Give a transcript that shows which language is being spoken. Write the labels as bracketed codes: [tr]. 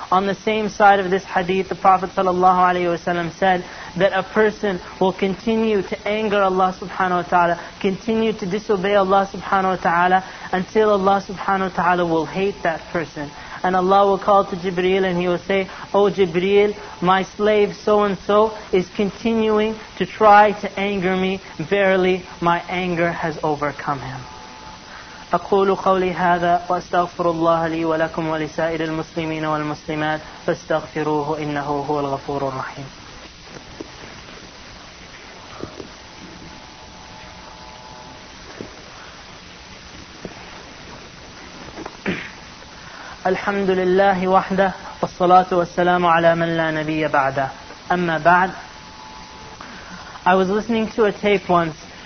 [en] On the same side of this hadith, the Prophet sallallahu alayhi wa sallam said that a person will continue to anger Allah subhanahu wa ta'ala, continue to disobey Allah subhanahu wa ta'ala until Allah subhanahu wa ta'ala will hate that person. And Allah will call to Jibreel and he will say, O Jibreel, my slave so and so is continuing to try to anger me. Verily, my anger has overcome him. [ar] أقول قولي هذا وأستغفر الله لي ولكم ولسائر المسلمين والمسلمات فاستغفروه إنه هو الغفور الرحيم. الحمد لله وحده والصلاة والسلام على من لا نبي بعده. أما بعد, [en] I was listening to a tape once.